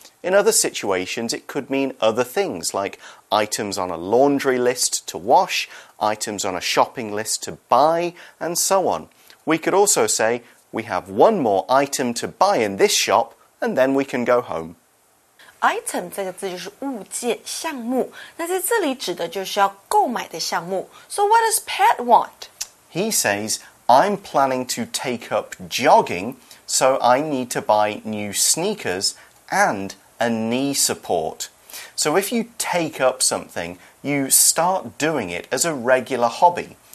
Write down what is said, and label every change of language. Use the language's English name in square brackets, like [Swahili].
[English] In other situations, it could mean other things, like items on a laundry list to wash, items on a shopping list to buy, and so on. We could also say, we have one more item to buy in this shop, and then we can go home. [Chinese] Item 这个字就是物件、项目，那在这里指的就是要购买的项目。 [English] So what does Pat want? He says, I'm planning to take up jogging, so I need to buy new sneakers and... A knee support. So if you take up something, you start doing it as a regular hobby.